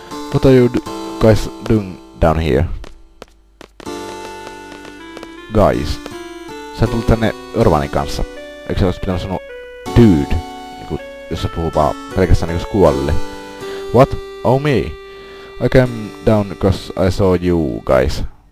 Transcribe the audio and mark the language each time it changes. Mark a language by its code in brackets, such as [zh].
[en] What are you guys doing down here? Guys. [fi] Sä tullut tänne Örvanin kanssa. Eikö sä olis pitänyt sanoa dude? Niinku, jos sä puhuu vaan pelkästään niinku skuolle. [en] What? Oh me. I came down cause I saw you guys.